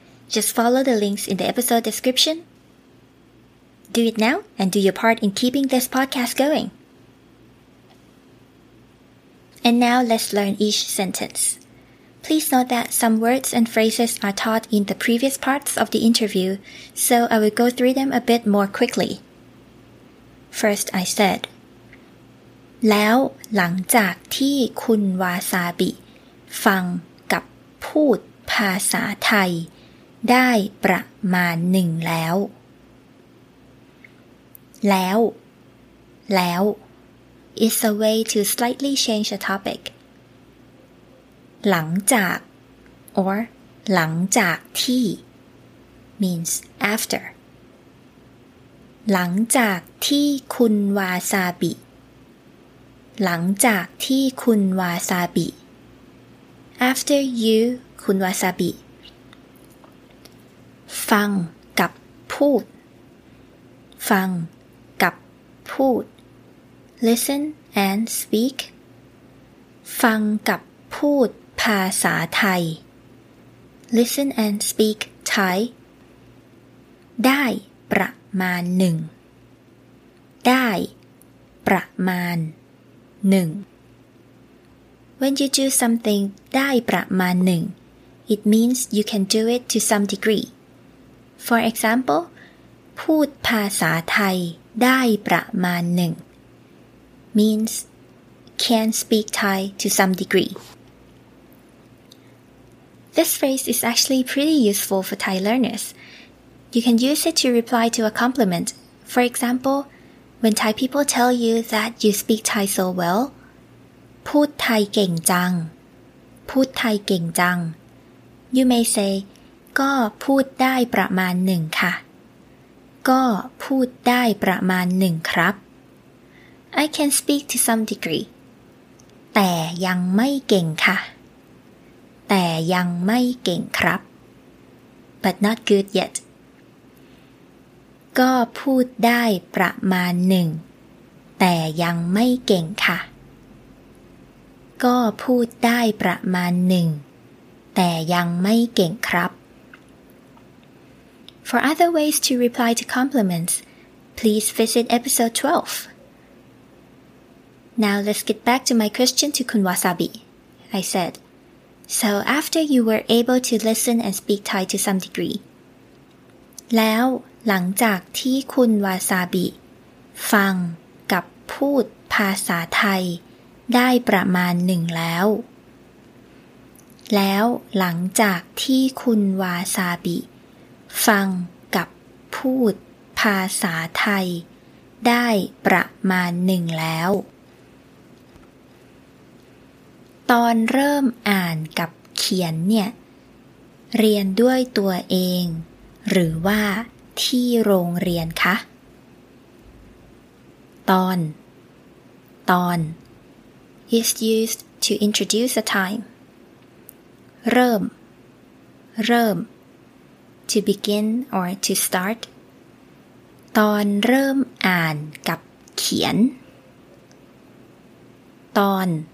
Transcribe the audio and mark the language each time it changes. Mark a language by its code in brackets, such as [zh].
[en] Just follow the links in the episode description. Do it now and do your part in keeping this podcast going. And now let's learn each sentence. Please note that some words and phrases are taught in the previous parts of the interview, so I will go through them a bit more quickly. First, I said, [th] แล้วหลังจากที่คุณวาซาบิฟังกับพูดภาษาไทยได้ประมาณหนึ่งแล้วแล้วแล้ว [en] is a way to slightly change a topic. [th] หลังจาก [en] or [th] หลังจากที่ [en] means after [th] หลังจากที่คุณวาซาบิหลังจากที่คุณวาซาบิ [en] after you คุณวาซาบิ [th] ฟังกับพูดฟังกับพูด [en] listen and speak [th] ฟังกับพูดภาษาไทย [en] listen and speak Thai [th] ได้ประมาณหนึ่งได้ประมาณหนึ่ง [en] when you do something [th] ได้ประมาณหนึ่ง [en] it means you can do it to some degree for example [th] พูดภาษาไทยได้ประมาณหนึ่ง [en] means can speak Thai to some degreeThis phrase is actually pretty useful for Thai learners. You can use it to reply to a compliment. For example, when Thai people tell you that you speak Thai so well, [th] พูดไทยเก่งจัง พูดไทยเก่งจัง [en] You may say, [th] ก็พูดได้ประมาณหนึ่งค่ะ ก็พูดได้ประมาณหนึ่งครับ [en] I can speak to some degree. [th] แต่ยังไม่เก่งค่ะแต่ยังไม่เก่งครับ [en] but not good yet [th] ก็พูดได้ประมาณหนึ่งแต่ยังไม่เก่งค่ะก็พูดได้ประมาณหนึ่งแต่ยังไม่เก่งครับ [en] for other ways to reply to compliments please visit episode 12 now let's get back to my question to Kun Wasabi I saidSo after you were able to listen and speak Thai to some degree, [th] แล้วหลังจากที่คุณวาซาบิฟังกับพูดภาษาไทยได้ประมาณหนึ่งแล้วแล้วหลังจากที่คุณวาซาบิฟังกับพูดภาษาไทยได้ประมาณหนึ่งแล้ว ตอนเริ่มอ่านกับเขียนเนี่ยเรียนด้วยตัวเองหรือว่าที่โรงเรียนคะตอน [en] is used to introduce a time [th] เริ่ม [en] to begin or to start [th] ตอนเริ่มอ่านกับเขียนตอน